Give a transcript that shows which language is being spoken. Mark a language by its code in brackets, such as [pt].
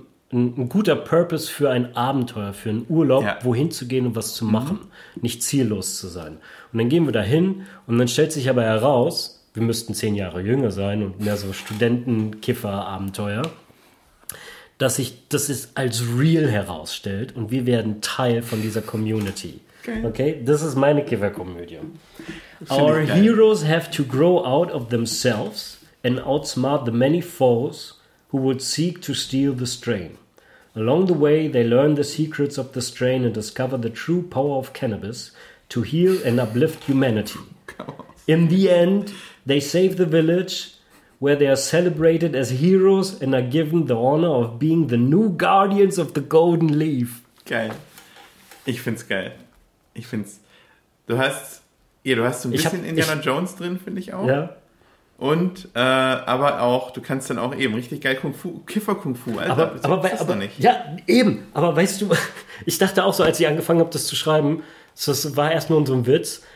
[de] Ein guter Purpose für ein Abenteuer, für einen Urlaub, wohin zu gehen und was zu machen, nicht ziellos zu sein. Und dann gehen wir da hin und dann stellt sich aber heraus, wir müssten 10 Jahre jünger sein und mehr so Studentenkiffer-Abenteuer, dass sich das ist als real herausstellt und wir werden Teil von dieser Community. Geil. Okay, das ist meine Kifferkomödie. [en] Our heroes have to grow out of themselves and outsmart the many foes who would seek to steal the strain. Along the way, they learn the secrets of the strain and discover the true power of cannabis to heal and uplift humanity. In the end, they save the village where they are celebrated as heroes and are given the honor of being the new guardians of the golden leaf. [de] Geil. Ich find's geil. Ich find's... Du hast so ein bisschen Indiana Jones drin, finde ich auch. Ja. Und, aber auch, du kannst dann auch eben richtig geil Kung-Fu, Kiffer-Kung-Fu, Alter. Aber noch nicht. Ja, eben. Aber weißt du, ich dachte auch so, als ich angefangen habe, das zu schreiben, das war erst nur so ein Witz.